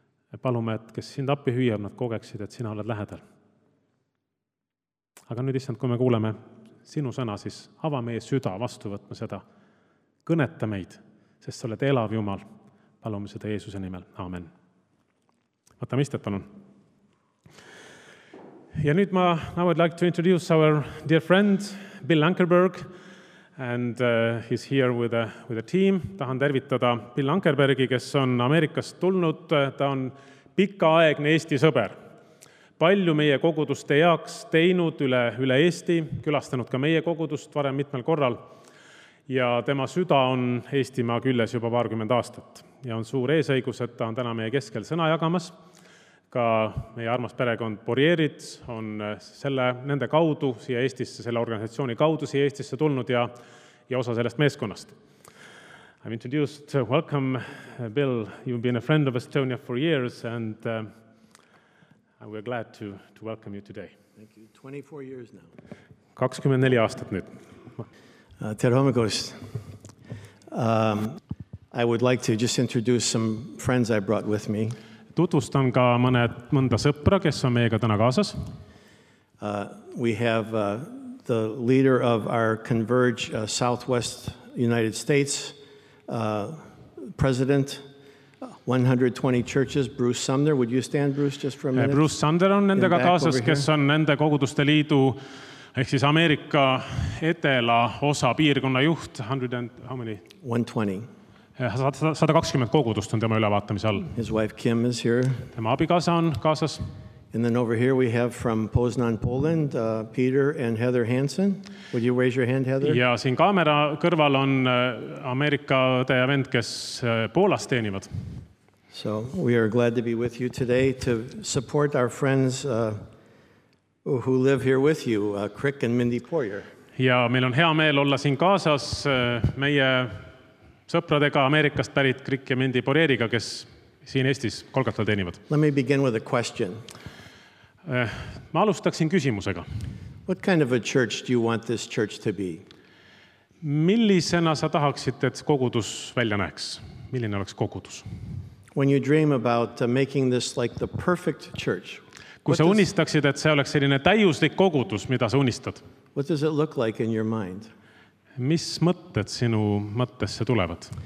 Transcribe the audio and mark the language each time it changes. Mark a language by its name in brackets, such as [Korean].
[Estonian] Ja palume, et kes sind appi hüüab, nad kogeksid, et sina oled lähedal. Aga nüüd issand, kui me kuuleme sinu sõna, siis ava meie süda vastu võtma seda. Kõneta meid, sest sa oled elav Jumal. Palume seda Jeesuse nimel. Aamen. Võtame istet, palun. Ja nüüd ma, [English] I would like to introduce our dear friend, Bill Ankerberg, and he's here with a team. [Estonian] Tahan tervitada Bill Ankerbergi, kes on Ameerikast tulnud. Ta on pikaaegne Eesti sõber. Palju meie koguduste jaoks teinud üle Eesti, külastanud ka meie kogudust varem mitmel korral. Ja tema süda on Eestimaa külles juba paarkümmend aastat. Ja on suur eesõigus, et ta on täna meie keskel sõna jagamas. Ka meie armas perekond Borierid on nende kaudu siia Eestisse, selle organisatsiooni kaudu siia Eestisse tulnud ja osa sellest meeskonnast. [English] I'm introduced. Welcome, Bill. You've been a friend of Estonia for years and we're glad to welcome you today. Thank you. 24 years now. [Estonian] 24 aastat nüüd. Tere hommikust. [English] I would like to just introduce some friends I brought with me. [Estonian] Tutvustan ka mõnda sõpra, kes on meiega täna kaasas. [English] We have the leader of our Converge Southwest United States president, 120 churches, Bruce Sumner. Would you stand, Bruce, just for a minute? [Estonian] Bruce Sumner on nendega kaasas, kes on nende koguduste liidu, ehk siis Ameerika etela osa piirkonna juht, 120 kogudust on tema ülevaatamise all. [English] His wife Kim is here. [Estonian] Tema abikaasa on kaasas. [English] And then over here we have from Poznan, Poland, Peter and Heather Hansen. Would you raise your hand, Heather? [Estonian] Ja siin kaamera kõrval on Ameerika õde ja vend, kes Poolas teenivad. [English] So we are glad to be with you today to support our friends who live here with you, Crick and Mindy Poirier. [Estonian] Ja meil on hea meel olla siin kaasas meie sõpradega Ameerikast pärit Crick ja Mindy Poirieriga, kes siin Eestis Kolkatal teenivad. [English] Let me begin with a question. [Estonian] Ma alustaksin küsimusega. [English] What kind of a church do you want this church to be? [Estonian] Millisena sa tahaksid, et kogudus välja näeks? Milline oleks kogudus? [English] When you dream about making this like the perfect church. [Estonian] Kui sa unistaksid, et see oleks selline täiuslik kogudus, mida sa unistad. [English] What does it look like in your mind? [Estonian] Mis mõtted sinu mõttesse tulevad?